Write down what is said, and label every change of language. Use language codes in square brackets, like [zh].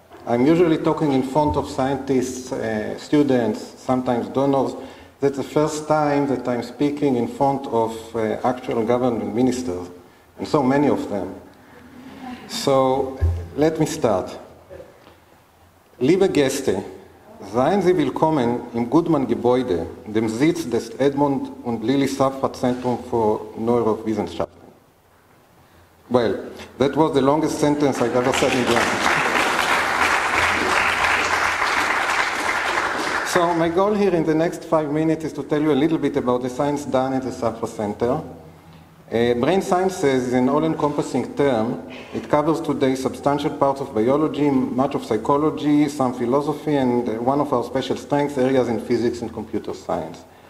[en] I'm usually talking in front of scientists, students, sometimes donors. That's the first time that I'm speaking in front of actual government ministers, and so many of them. So let me start. [de] Liebe Gäste, seien Sie willkommen im Gutmann-Gebäude, dem Sitz des Edmund und Lili Safra-Zentrum für Neurowissenschaften. [en] Well, that was the longest sentence I've ever said in German. So my goal here in the next 5 minutes is to tell you a little bit about the science done at the Safra Center. Brain sciences is an all-encompassing term. It covers today substantial parts of biology, much of psychology, some philosophy, and one of our special strengths, areas in physics and computer science.